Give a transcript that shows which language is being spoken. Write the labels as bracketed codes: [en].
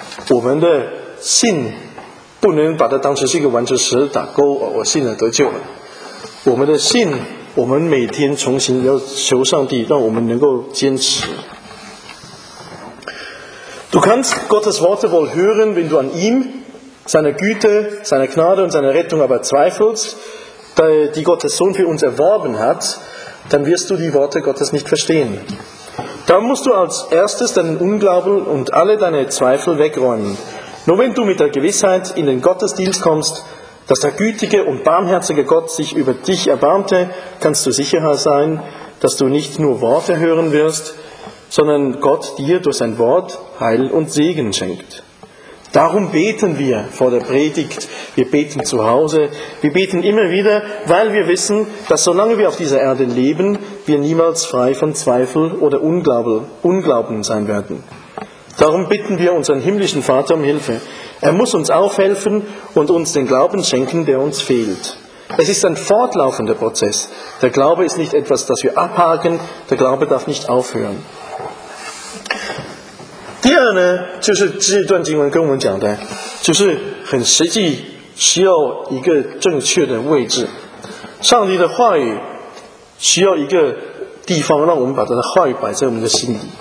[zh] 我们的信不能把它当成是一个完成时打勾，我信了得救了。我们的信，我们每天重新要求上帝，让我们能够坚持。 [de] Du kannst Gottes Worte wohl hören, wenn du an ihm, seiner Güte, seiner Gnade und seiner Rettung aber zweifelst, die Gottes Sohn für uns erworben hat, dann wirst du die Worte Gottes nicht verstehen. Dann musst du als erstes deinen Unglauben und alle deine Zweifel wegräumen. Nur wenn du mit der Gewissheit in den Gottesdienst kommst, dass der gütige und barmherzige Gott sich über dich erbarmte, kannst du sicher sein, dass du nicht nur Worte hören wirst, sondern Gott dir durch sein Wort Heil und Segen schenkt. Darum beten wir vor der Predigt, wir beten zu Hause, wir beten immer wieder, weil wir wissen, dass solange wir auf dieser Erde leben, wir niemals frei von Zweifel oder Unglauben sein werden. Darum bitten wir unseren himmlischen Vater um Hilfe. Er muss uns aufhelfen und uns den Glauben schenken, der uns fehlt. Es ist ein fortlaufender Prozess. Der Glaube ist nicht etwas, das wir abhaken, der Glaube darf nicht aufhören. [zh] 第二呢，就是这段经文跟我们讲的，就是很实际，需要一个正确的位置。上帝的话语需要一个地方，让我们把他的话语摆在我们的心里。